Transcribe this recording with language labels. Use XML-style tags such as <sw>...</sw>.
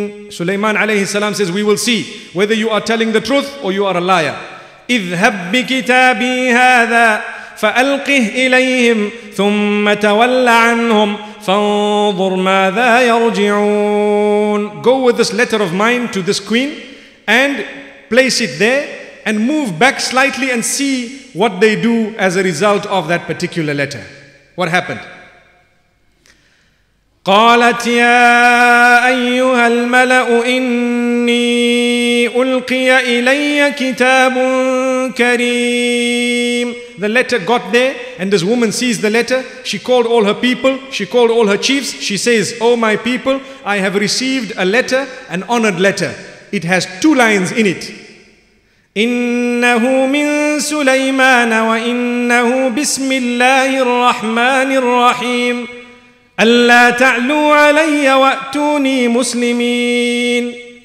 <en>سليمان عليه السلام says, we will see whether you are telling the truth or you are a liar.</en> <ar>اذهب بكتابي هذا فألقه إليهم ثم تول عنهم فانظر ماذا يرجعون.</ar> <en>Go with this letter of mine to this queen and place it there and move back slightly and see what they do as a result of that particular letter. What happened?</en> <ar>قالت يا أيها الملأ إني ألقي إلي كتاب كريم.</ar> <en>The letter got there and this woman sees the letter. She called all her people. She called all her chiefs. She says, oh my people, I have received a letter, an honored letter. It has two lines in it.</en> <ar>إِنَّهُ مِن سُلَيْمَانَ وَإِنَّهُ بِسْمِ اللَّهِ الرَّحْمَنِ الرَّحِيمِ أَلَّا تَعْلُوا عَلَيَّ وَأْتُونِي مُسْلِمِينَ.</ar>